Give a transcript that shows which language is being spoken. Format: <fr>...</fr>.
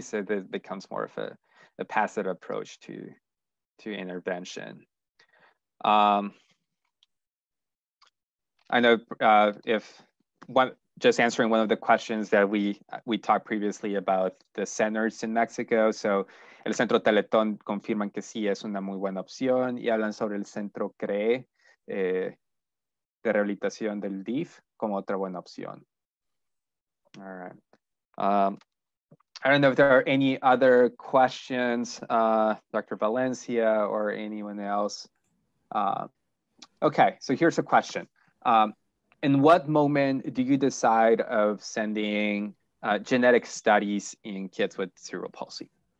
<en>So it becomes more of a passive approach to intervention. I know just answering one of the questions that we talked previously about the centers in Mexico.</en> <es>So el Centro Teletón confirman que sí es una muy buena opción y hablan sobre el Centro CRE. De rehabilitación del DIF como otra buena opción.</es> <en>All right. I don't know if there are any other questions, Dr. Valencia or anyone else. Okay, so here's a question. In what moment do you decide of sending genetic studies in kids with cerebral palsy?</en>